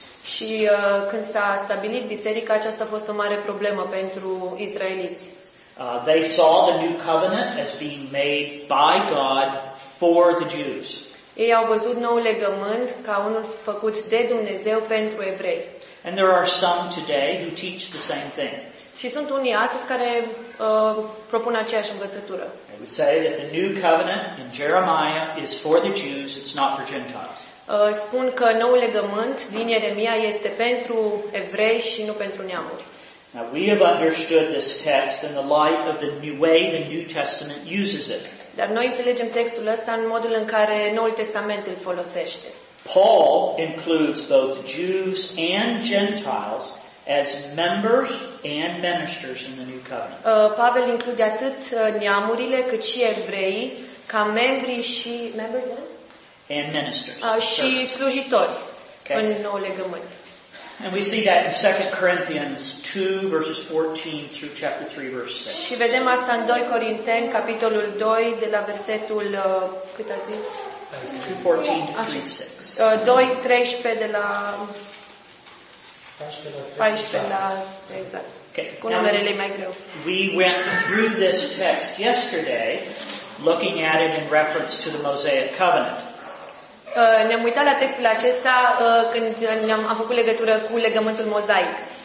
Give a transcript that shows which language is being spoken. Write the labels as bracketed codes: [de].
[ro] Și când s-a stabilit biserica, aceasta a fost o mare problemă pentru israeliți. [en] They saw the new covenant as being made by God for the Jews. [ro] Ei au văzut noul legământ ca unul făcut de Dumnezeu pentru evrei. [en] And there are some today who teach the same thing. [ro] Și sunt unii astăzi care propun aceeași învățătură. [en] They would say that the new covenant in Jeremiah is for the Jews, it's not for Gentiles. [ro] Spun că noul legământ din Ieremia este pentru evrei și nu pentru neamuri. [en] Now we have understood this text in the light of the new way the New Testament uses it. [ro] Dar noi înțelegem textul ăsta în modul în care Noul Testament îl folosește. [en] Paul includes both Jews and Gentiles as members and ministers in the new covenant. [ro] Pavel include atât neamurile cât și evrei ca membri și members [en] and ministers. [ro] Și slujitori okay. În Noul Legământ. [en] And we see that in 2 Corinthians 2 verses 14 through chapter 3 verse 6. [ro] Și vedem asta în 2 Corinteni capitolul 2 de la versetul cât a zis? [en] 2:14-3:6. [ro] 2:13 de la [en] 14 [ro] exact. Okay. Cu numerele mai greu. [en] We went through this text yesterday looking at it in reference to the Mosaic covenant. [ro] Ne-am uitat la textul acesta când ne-am făcut legătură cu legământul mozaic.